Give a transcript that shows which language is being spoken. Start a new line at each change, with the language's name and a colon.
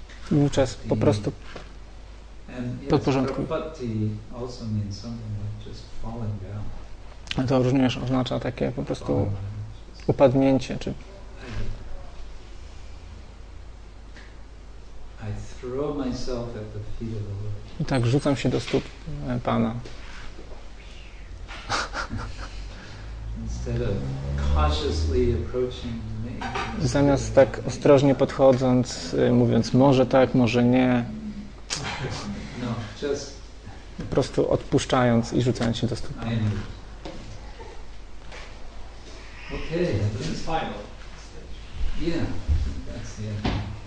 Polish: wówczas po prostu podporządkuj.
English: Also means something like just falling down.
Polish: A to również oznacza takie po prostu upadnięcie, czy
English: I throw myself at the feet of the Lord.
Polish: I tak rzucam się do stóp Pana.
English: Instead of cautiously approaching me,
Polish: zamiast tak ostrożnie podchodząc, mówiąc może tak, może nie.
English: No, just
Polish: po prostu odpuszczając i rzucając się do stóp.
English: Okay, this is final stage. Yeah, that's the end.